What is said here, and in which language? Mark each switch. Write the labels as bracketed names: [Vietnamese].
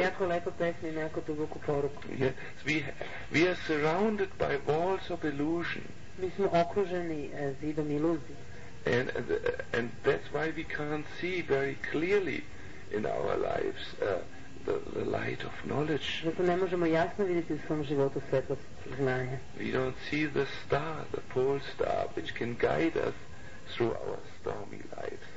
[Serbian] Jako lepa pesma I jako duboku poruku. [English] Yes, we are surrounded by walls of illusion. [Serbian] Mi smo okruženi zidom iluzije. [English] And that's why we can't see very clearly in our lives. The light of knowledge. [Serbian] Zato ne možemo jasno vidjeti u svom životu svjetlost znanja. [English] We don't see the star, the pole star, which can guide us through our stormy lives.